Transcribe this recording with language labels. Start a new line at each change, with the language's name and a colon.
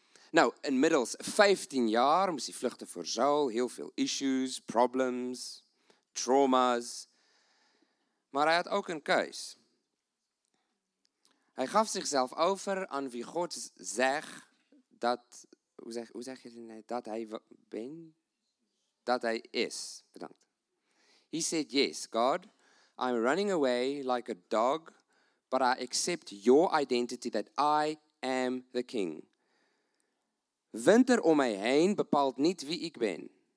Dutch: Nou, inmiddels 15 jaar moest hij vluchten voor Saul, heel veel issues, problems, trauma's. Maar hij had ook een keus. Hij gaf zichzelf over aan wie God zegt dat, dat hij ben? Dat hij is. Bedankt.
English: He said, yes, God. I'm running away like a dog, but I accept your identity that I am the king.
Dutch: Winter om mij heen bepaalt niet wie ik ben.